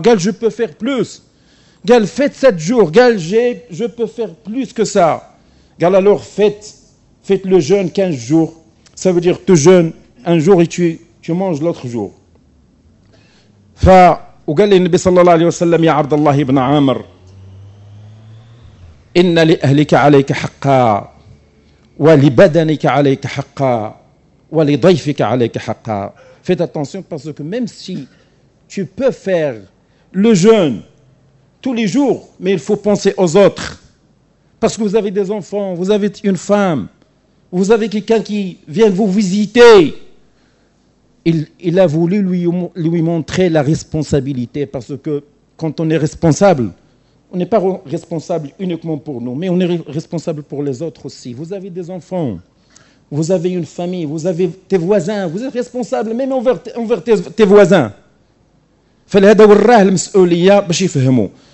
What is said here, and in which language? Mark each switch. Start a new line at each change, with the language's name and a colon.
French: قال je peux faire plus. قال faites sept jours. قال je peux faire plus que ça. قال alors faites le jeûne quinze jours. Ça veut dire tu jeûnes un jour et tu manges l'autre jour.
Arabic: فقال النبي صلى الله عليه وسلم يا عبد الله بن عامر إن لأهلك عليك حقا ولبدنك عليك حقا ولضيفك عليك حقا.
French: Faites attention parce que même si tu peux faire le jeûne tous les jours, mais il faut penser aux autres. Parce que vous avez des enfants, vous avez une femme, vous avez quelqu'un qui vient vous visiter. Il a voulu lui montrer la responsabilité parce que quand on est responsable, on n'est pas responsable uniquement pour nous, mais on est responsable pour les autres aussi. Vous avez des enfants, vous avez une famille, vous avez tes voisins, vous êtes responsable même envers tes voisins.
Arabic: فلهذا وراه المسؤوليه باش يفهموا.